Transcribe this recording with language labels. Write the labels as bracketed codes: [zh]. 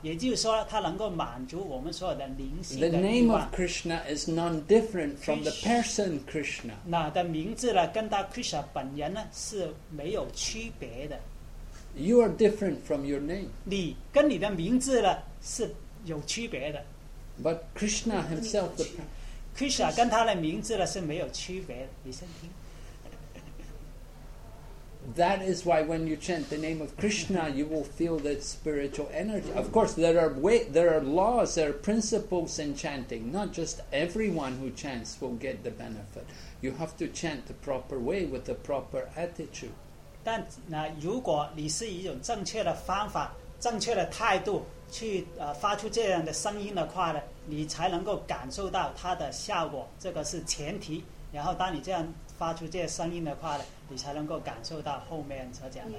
[zh] 也就是说，它能够满足我们所有的灵性的欲望。 [en] The name of Krishna is none different from the person Krishna. [zh] 那的名字呢，跟他 Krishna 本人呢是没有区别的。 [en] You are different from your name. [zh] 你跟你的名字呢是有区别的。 [en] But Krishna himself, the [zh] Krishna 跟他的名字呢是没有区别，你先听。 [en] That is why when you chant the name of Krishna, you will feel that spiritual energy. Of course, there are laws, there are principles in chanting. Not just everyone who chants will get the benefit. You have to chant the proper way with the proper attitude. [zh] 但那如果你是一种正确的方法、正确的态度去发出这样的声音的话呢，你才能够感受到它的效果。这个是前提。然后当你这样发出这些声音的话呢，你才能够感受到后面所讲的。